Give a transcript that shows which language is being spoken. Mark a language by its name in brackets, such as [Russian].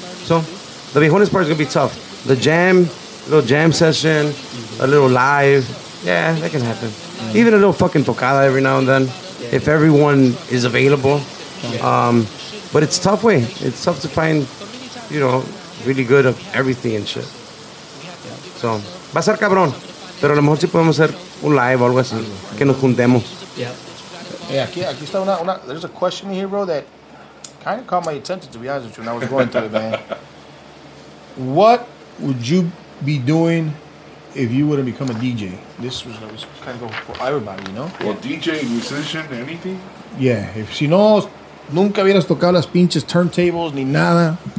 [English] So, the Viejones part is going to be tough. The jam, a little jam session, a little live. Yeah, that can happen. Yeah. Even a little fucking tocada every now and then. Yeah. If everyone is available. Yeah. But it's tough way. It's tough to find, you know, really good of everything and shit. So, [Spanish] va a ser cabrón. Pero a lo mejor si podemos hacer un live o algo así. Que nos juntemos. [English] Yeah. [Spanish] Yeah, aquí está una... [English] There's a question here, bro, that kind of caught my attention, to be honest with you, when I was going through it, man. What would you be doing if you were to become a DJ? This was kind of for everybody, you know? Well, DJ, musician, anything? Yeah. If she knows... [Spanish] Nunca hubieras tocado las pinches turntables ni nada.